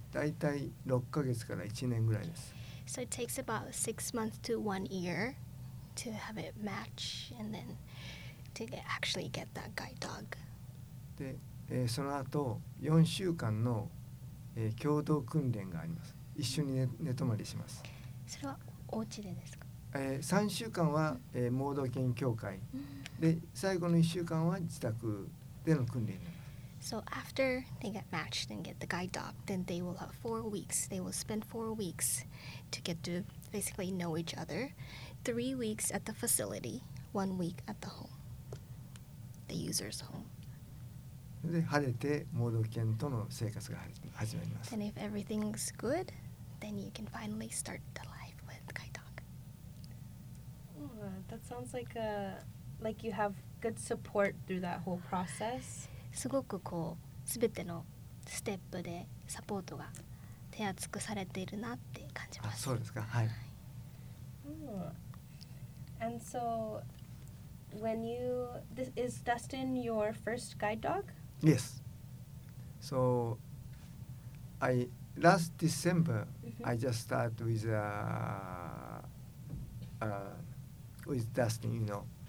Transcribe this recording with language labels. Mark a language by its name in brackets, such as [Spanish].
[Japanese] だいたい6ヶ月から1年ぐらいです。 [English] So it takes about 6 months to 1 year to have it match and then to get, actually get that guide dog. [Japanese] で、その後4週間の、共同訓練があります。一緒に 寝泊まりします。それはお家でですか？ 3週間は、盲導犬協会で最後の1週間は自宅での訓練です。 [English] So after they get matched and get the guide dog, then they will have 4 weeks. They will spend 4 weeks to get to basically know each other. 3 weeks at the facility, 1 week at the home, the user's home. [Japanese] で、晴れて盲導犬との生活が始まります。 [English] And if everything's good, then you can finally start the life with the guide dog. That sounds like, like you have good support through that whole process. [Japanese] すごくこう全てのステップでサポートが手厚くされているなって感じます。あ、そうですか。はい。 [English] And so, when you, this is Dustin your first guide dog? Yes. So, I last December I just start with Dustin, you know.